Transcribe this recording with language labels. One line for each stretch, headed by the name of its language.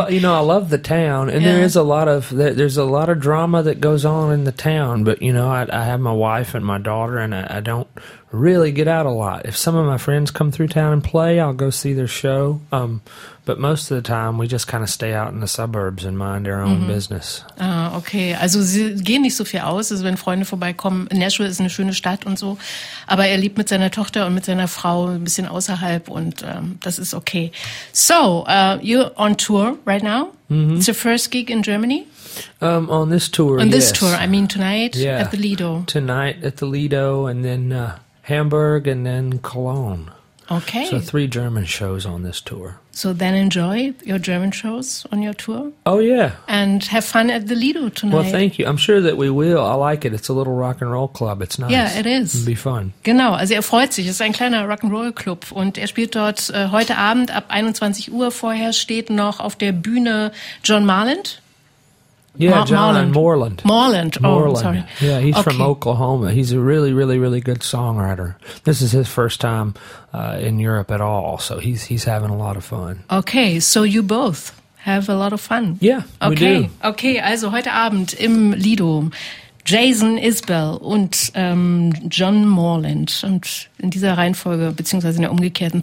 English: Well, you know, I love the town, and there is a lot of drama that goes on in the town. But you know, I have my wife and my daughter, and I don't really get out a lot. If some of my friends come through town and play, I'll go see their show. But most of the time, we just kind of stay out in the suburbs and mind our own business.
German: Ah, okay. Also, sie gehen nicht so viel aus. Also, wenn Freunde vorbeikommen, Nashville ist eine schöne Stadt und so. Aber er lebt mit seiner Tochter und mit seiner Frau ein bisschen außerhalb und das ist okay.
English: So, you're on tour right now. Mm-hmm. It's your first gig in Germany? On this tour, On this tour, I mean tonight at the Lido. Tonight at the Lido and then Hamburg and then Cologne. Okay. So three German shows on this tour. So then enjoy your German shows on your tour. Oh, yeah. And have fun at the Lido tonight. Well, thank you. I'm sure that we will. I like it. It's a little rock and roll club. It's nice. Yeah, it is. It'll be fun.
German: Genau. Also er freut sich. Es ist ein kleiner rock and roll club. Und er spielt dort heute Abend ab 21 Uhr. Vorher steht noch auf der Bühne John Marland.
English: Yeah, John Moreland. Moreland. Oh, sorry. Yeah, he's from Oklahoma. He's a really, really, really good songwriter. This is his first time in Europe at all, so he's having a lot of fun. Okay, so you both have a lot of fun. Yeah, okay. We do.
German: Okay, also heute Abend im Lido, Jason Isbell und John Moreland. Und in dieser Reihenfolge, beziehungsweise in der umgekehrten.